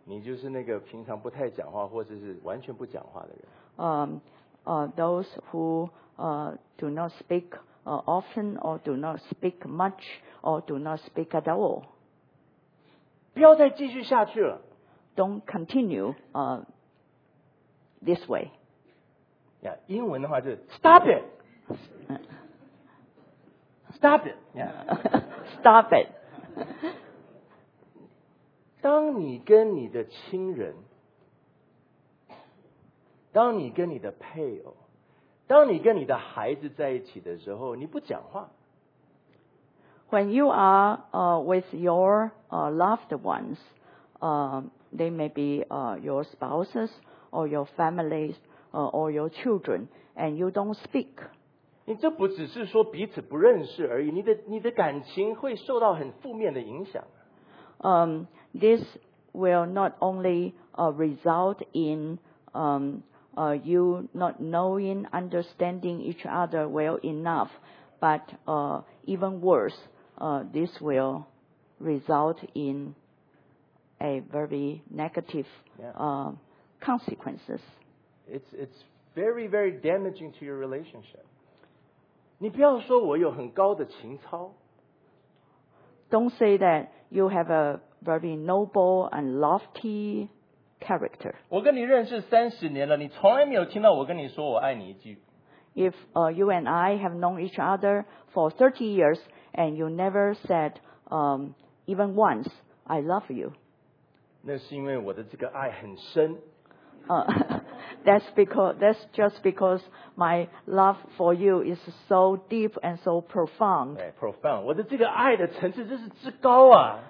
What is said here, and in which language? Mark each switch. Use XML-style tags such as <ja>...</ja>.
<zh>你就是那个平常不太讲话或者是完全不讲话的人。</zh> <en>Those who do not speak often or do not speak much or do not speak at all.</en> <zh>不要再继续下去了。</zh> <en>Don't continue this way.</en> <zh>Yeah, 英文的话就是</zh> <en>stop it. Stop it. Yeah. Stop it.</en> <zh>当你跟你的亲人，当你跟你的配偶，当你跟你的孩子在一起的时候，你不讲话。</zh> <en>When you are with your loved ones, they may be your spouses or your families or your children, and you don't speak.</en> <zh>你这不只是说彼此不认识而已，你的感情会受到很负面的影响。</zh> <en>This will not only result in you not knowing, understanding each other well enough, but even worse, this will result in a very negative consequences. It's very, very damaging to your relationship.</en> <zh>你不要说我有很高的情操。</zh> <en>Don't say that you have a very noble and lofty character.</en> <zh>我跟你认识三十年了，你从来没有听到我跟你说我爱你一句。</zh> <en>If you and I have known each other for 30 years and you never said even once I love you.</en> <zh>那是因为我的这个爱很深。</zh> <en>That's just because my love for you is so deep and so profound. Yeah, profound.</en> <zh>我的这个爱的层次真是之高啊。</zh>